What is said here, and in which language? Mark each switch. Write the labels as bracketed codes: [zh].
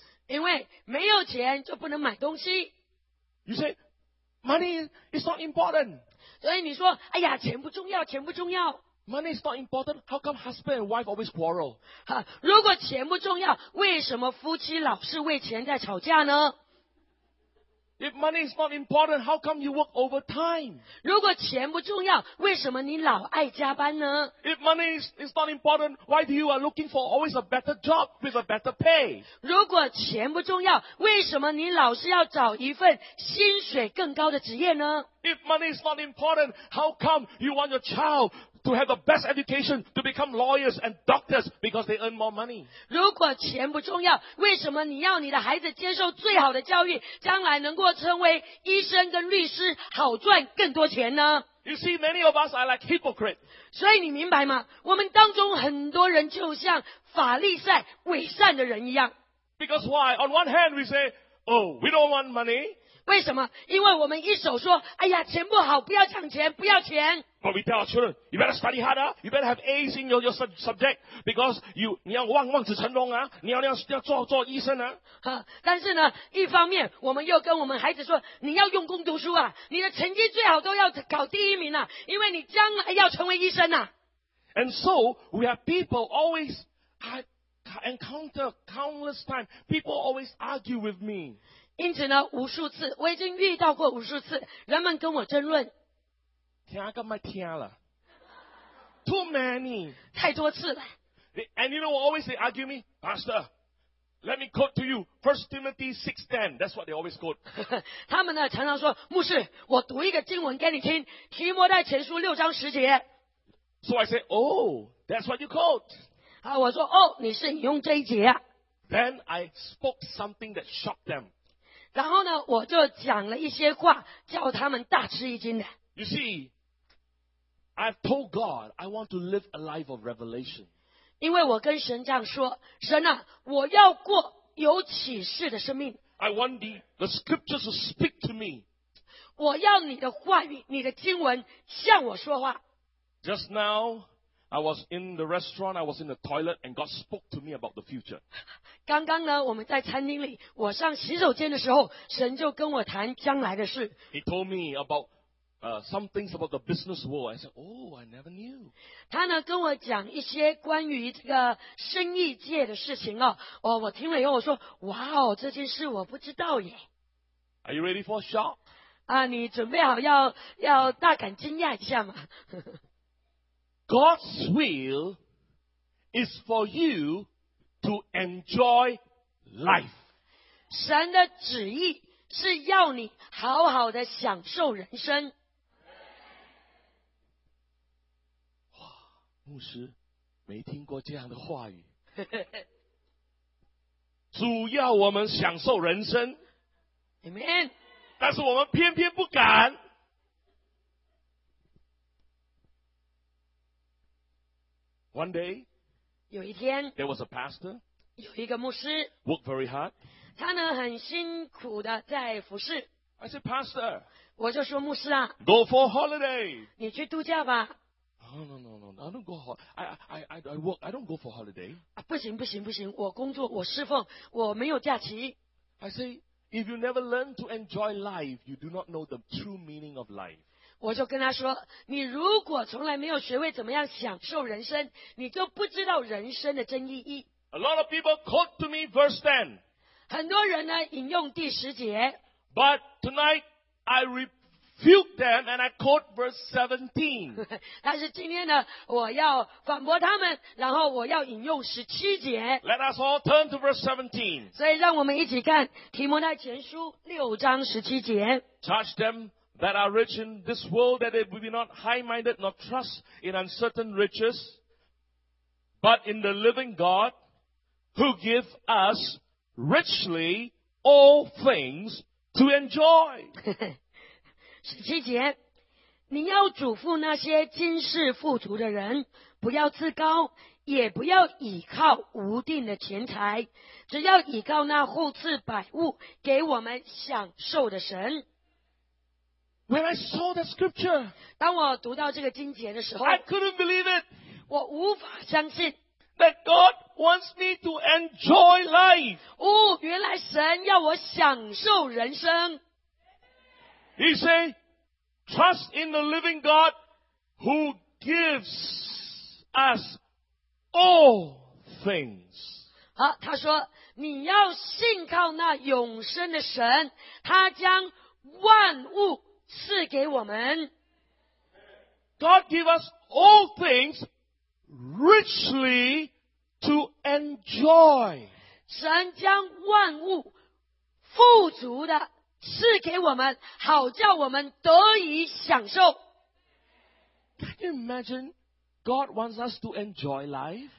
[zh] 因为没有钱就不能买东西。 [en] You say, money is not important. [zh] 所以你说，哎呀，钱不重要，钱不重要。 [en] Money is not important. How come husband and wife always quarrel? [zh] 如果钱不重要，为什么夫妻老是为钱在吵架呢？ [en] If money is not important, how come you work overtime? [zh] 如果钱不重要，为什么你老爱加班呢？ [en] If money is not important, why do you are looking for always a better job with a better pay? [zh] 如果钱不重要，为什么你老是要找一份薪水更高的职业呢？ [en] If money is not important, how come you want your child to have the best education to become lawyers and doctors because they earn more money? [zh] 如果钱不重要，为什么你要你的孩子接受最好的教育，将来能够成为医生跟律师，好赚更多钱呢？ [en] You see, many of us are like hypocrites. [zh] 所以你明白吗？我们当中很多人就像法利赛伪善的人一样。 [en] Because why? On one hand, we say, oh, we don't want money. [zh] 为什么？因为我们一手说，哎呀，钱不好，不要抢钱，不要钱。 [en] But we tell our children, you better study harder, you better have A's in your subject, because you [zh] 你要望望子成龙啊，你要做医生啊。但是呢，一方面我们又跟我们孩子说，你要用功读书啊，你的成绩最好都要考第一名啊，因为你将来要成为医生啊。 [en] And so we have people always encounter countless times. People always argue with me. [zh] 因此呢，无数次我已经遇到过无数次，人们跟我争论。听个麦听了 ， [en] too many， [zh] 太多次了。 [en] And you know what always they argue me, Pastor. Let me quote to you, 1 Timothy 6:10. That's what they always quote. [zh] 他们呢常常说，牧师，我读一个经文给你听，提摩太前书6:10。 [en] So I say, oh, that's what you quote. [zh] 好，我说，哦，你是引用这一节。 [en] Then I spoke something that shocked them. [zh] 然后呢，我就讲了一些话，叫他们大吃一惊的。 [en] You see, I've told God I want to live a life of revelation. [zh] 因为我跟神这样说，神啊，我要过有启示的生命。 [en] I want the scriptures to speak to me. [zh] 我要你的话语，你的经文向我说话。 [en] Just now, I was in the restaurant, I was in the toilet, and God spoke to me about the future. [zh] 刚刚呢，我们在餐厅里，我上洗手间的时候，神就跟我谈将来的事。 [en] He told me aboutsome things about the business world. I said, oh, I never knew. [zh] 他呢跟我讲一些关于这个生意界的事情哦。我听了以后我说，哇哦，这件事我不知道耶。 [en] Are you ready for a shock? [zh] 啊，你准备好要大感惊讶一下吗？ [en] God's will is for you to enjoy life. [zh] 神的旨意是要你好好的享受人生。牧师没听过这样的话语。主要我们享受人生。 [en] Amen。 [zh] 但是我们偏偏不敢。 [en] One day, [zh] 有一天 [en] there was a pastor, [zh] 有一个牧师 [en] worked very hard, [zh] 他呢很辛苦的在服侍。 [en] I said, Pastor, [zh] 我就说牧师啊 [en] go for holiday, [zh] 你去度假吧。 [en] No, I don't go holiday. I work. I don't go for holiday. [zh] 不行，我工作，我侍奉，我没有假期。 [en] I say, if you never learn to enjoy life, you do not know the true meaning of life. [zh] 我就跟他说，你如果从来没有学会怎么样享受人生，你就不知道人生的真意义。 [en] A lot of people quote to me verse 10. [zh] 很多人呢引用第十节。 [en] But tonight, I refute them and I quote verse 17. [zh] 但是今天呢我要反驳他们，然后我要引用17节。 [en] Let us all turn to verse 17. [zh] 所以让我们一起看提摩太前书6:17。 [en] Charge them that are rich in this world that they be not high-minded nor trust in uncertain riches, but in the living God who give us richly all things to enjoy. [zh] 十七节，你要嘱咐那些今世富足的人，不要自高，也不要倚靠无定的钱财，只要倚靠那后赐百物给我们享受的神。 [en] When I saw the scripture, [zh] 当我读到这个经节的时候 [en] ，I couldn't believe it. [zh] 我无法相信 [en] that God wants me to enjoy life. [zh] 哦，原来神要我享受人生。 [en] He said, trust in the living God who gives us all things. [zh] 好，他说，你要信靠那永生的神，他将万物赐给我们。 [en] God give us all things richly to enjoy. [zh] 神将万物富足的赐给我们，好叫我们得以享受。 [en] Can you imagine God wants us to enjoy life?